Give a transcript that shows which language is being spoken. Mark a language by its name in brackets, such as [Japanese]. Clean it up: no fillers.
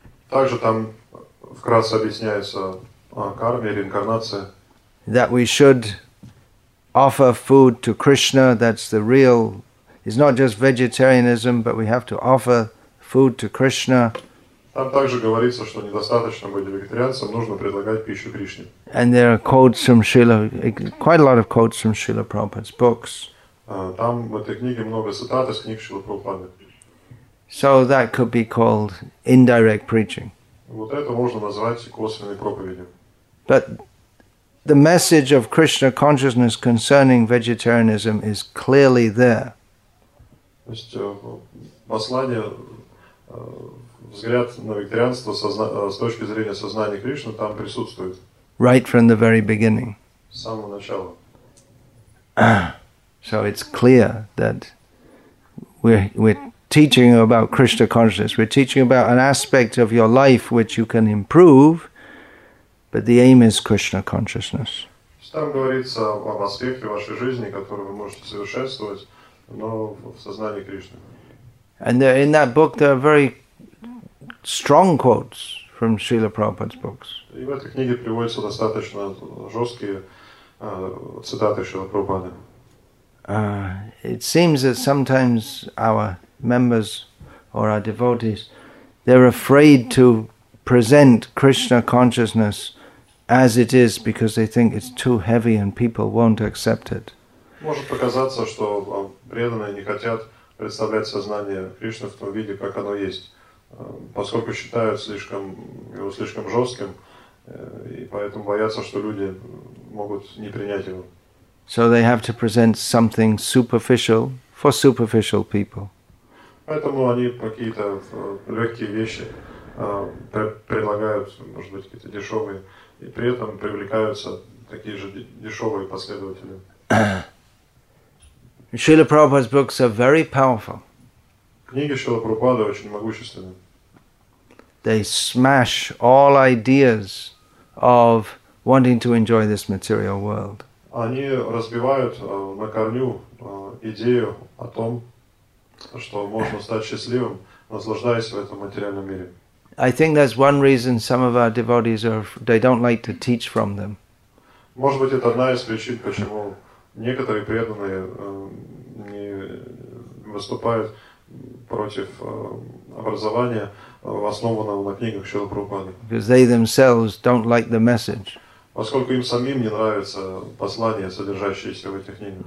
[Russian] Также там вкратце объясняется о карме, реинкарнации. [English] That we should offer food to Krishna, that's the real. It's not just vegetarianism, but we have to offer food to Krishna. [Russian] Там также говорится, что недостаточно быть вегетарианцем, нужно предлагать пищу Кришне. [English] And there are quotes from Srila, quite a lot of quotes from Srila Prabhupada's books. [Russian] Там в этой книге много цитат из книг Шрилы Прабхупады. [English] So that could be called indirect preaching. [Russian] Вот это можно назвать косвенной проповедью. [English] But the message of Krishna consciousness concerning vegetarianism is clearly there. [Russian] То есть послание, взгляд на вегетарианство с точки зрения сознания Кришны там присутствует. [English] Right from the very beginning. [Russian] С самого начала. [English] So it's clear that we're teaching about Krishna consciousness. We're teaching about an aspect of your life which you can improve, but the aim is Krishna consciousness. [Russian] Там говорится об аспекте вашей жизни, который вы можете совершенствовать, но в сознании Кришны. [English] And there, in that book there are very strong quotes from Srila Prabhupada's books. [Russian] И в этой книге приводятся достаточно жесткие цитаты Шрила Прабхупады. [English] It seems that sometimes our members or our devotees, they're afraid to present Krishna consciousness as it is because they think it's too heavy and people won't accept it. [Russian] Может показаться, что преданные не хотят представлять сознание Кришны в том виде, как оно есть, поскольку считают слишком жестким, и поэтому боятся, что люди могут не принять его. [English] So they have to present something superficial for superficial people. [Russian] Поэтому они какие-то легкие вещи предлагают, может быть, какие-то дешевые, и при этом привлекаются такие же дешевые последователи. [English] Srila Prabhupada's books are very powerful. [Russian] Книги Шрилы Прабхупады очень могущественны. [English] They smash all ideas of wanting to enjoy this material world. [Russian] Они разбивают на корню идею о том, что можно стать счастливым, наслаждаясь в этом материальном мире. [English] I think that's one reason some of our devotees they don't like to teach from them. [Russian] Может быть, это одна из причин, почему некоторые преданные не выступают против образования, основанного на книгах Шрилы Прабхупады. [English] Because they themselves don't like the message. [Russian] Поскольку им самим не нравится послание, содержащееся в этих книгах.